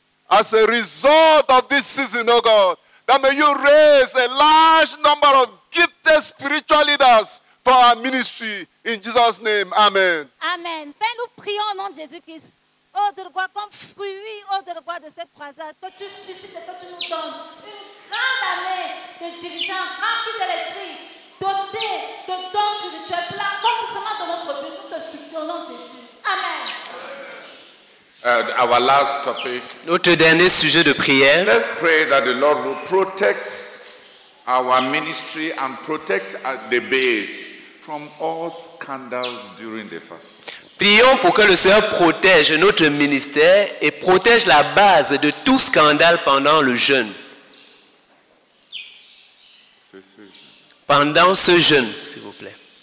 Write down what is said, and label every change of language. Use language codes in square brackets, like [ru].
[en] As a result of this season, oh God, that may you raise a large number of gifted spiritual leaders for our ministry. In Jesus' name, amen. Amen. [fr] Père, nous prions au nom de Jésus-Christ. Oh, de quoi, comme fruit, oh, de quoi de cette croisade, que tu suscites et que tu nous donnes une grande année de dirigeants remplis de l'esprit, dotés de dons spirituels, pour l'accomplissement de notre but. Nous te supplions au nom de Jésus. Amen. [en] Our last topic. [fr] Notre dernier sujet de prière. [en] Let's pray that the Lord will protect our ministry and protect the base from all scandals during the fast. [fr] Prions pour que le Seigneur protège notre ministère et protège la base de tout scandale pendant le jeûne. Pendant ce jeûne, s'il vous plaît.